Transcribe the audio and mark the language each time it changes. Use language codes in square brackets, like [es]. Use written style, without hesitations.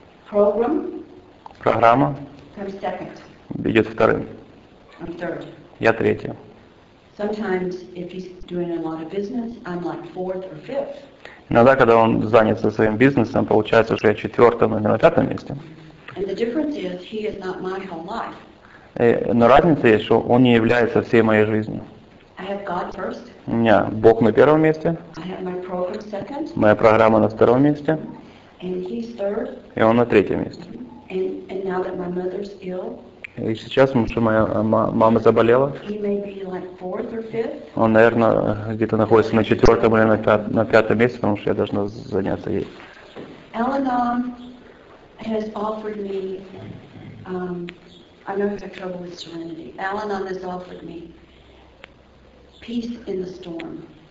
[en] Program [ru] программа [en] comes second. [ru] Идет вторым. [en] I'm third. [ru] Я третья. [en] Sometimes if he's doing a lot of business, I'm like fourth or fifth. [ru] Иногда, когда он занялся своим бизнесом, получается, что я четвертом или на пятом месте. [en] And the difference is, he is not my whole life. [ru] Но разница есть, что он не является всей моей жизнью. [en] I have God first. [ru] У меня Бог на первом месте. [en] I have my program second. [ru] Моя программа на втором месте. [en] And he's third. [ru] И он на третьем месте. [en] And now that my mother's ill. [ru] И сейчас, потому что моя мама заболела, [en] he may be like fourth or fifth. [ru] Он, наверное, где-то находится на четвертом или на пятом месте, потому что я должна заняться ей. [en] Al-Anon has offered me, I know I've had trouble with serenity. Al-Anon has offered me peace in the storm.